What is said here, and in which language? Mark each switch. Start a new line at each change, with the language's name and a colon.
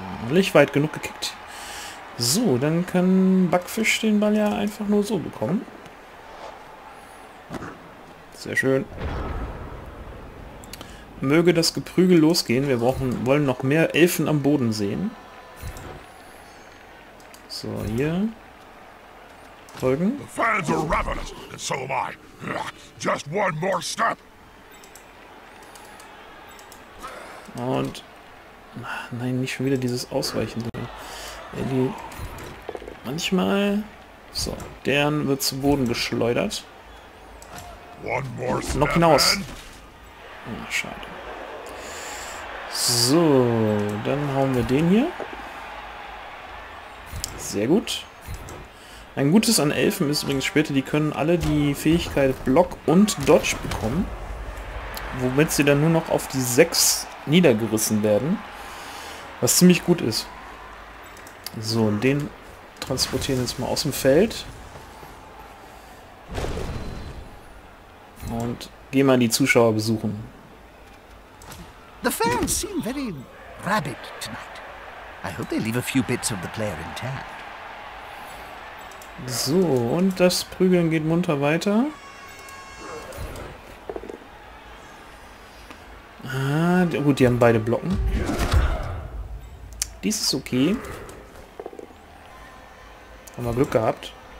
German: Nicht weit genug gekickt. So, dann kann Backfisch den Ball ja einfach nur so bekommen. Sehr schön. Möge das Geprügel losgehen. Wir wollen noch mehr Elfen am Boden sehen. So, hier. Folgen.
English: The fans are ravenous, and so am I. Just one more step.
German: Und... Nein, nicht schon wieder dieses Ausweichen. Manchmal. So, deren wird zu Boden geschleudert.
English: One more
German: noch hinaus. Oh, schade. So, dann hauen wir den hier. Sehr gut. Ein gutes an Elfen ist übrigens später, die können alle die Fähigkeit Block und Dodge bekommen. Womit sie dann nur noch auf die 6 niedergerissen werden. Was ziemlich gut ist. So, und den transportieren wir jetzt mal aus dem Feld. Und gehen mal die Zuschauer besuchen.
English: The fans seem very rabid tonight. I hope they leave a few bits of the player intact.
German: So, und das Prügeln geht munter weiter. Ah, gut, die haben beide Blocken. Dies ist okay. Haben wir Glück gehabt.